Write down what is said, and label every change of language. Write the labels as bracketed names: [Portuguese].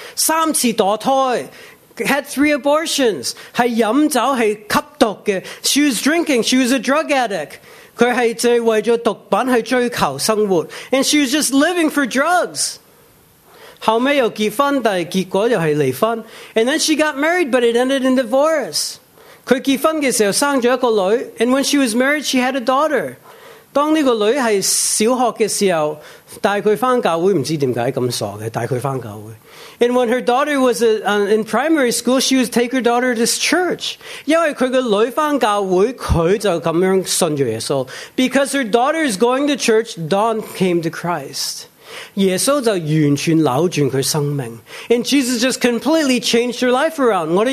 [Chinese] 三次堕胎, [English] had three abortions. [Chinese] 是喝酒,是吸毒的. [English] She was drinking, she was a drug addict. [Chinese] 她是为了毒品,是追求生活. [English] And she was just living for drugs. [Chinese] 后来又结婚,但结果又是离婚. [English] And then she got married, but it ended in divorce. [Chinese] 她结婚的时候生了一个女儿, [English] and when she was married, she had a daughter. [Chinese] 当这个女儿是小学的时候, 带她回教会,不知为什么这么傻的, 带她回教会。 [English] And when her daughter was in primary school, she would take her daughter to this church. [Chinese] 因为她的女儿回教会,她就这样信了耶稣。 [English] Because her daughter is going to church, Dawn came to Christ. [Chinese] 耶稣就完全扭转他生命, [English] and Jesus just completely changed her life around.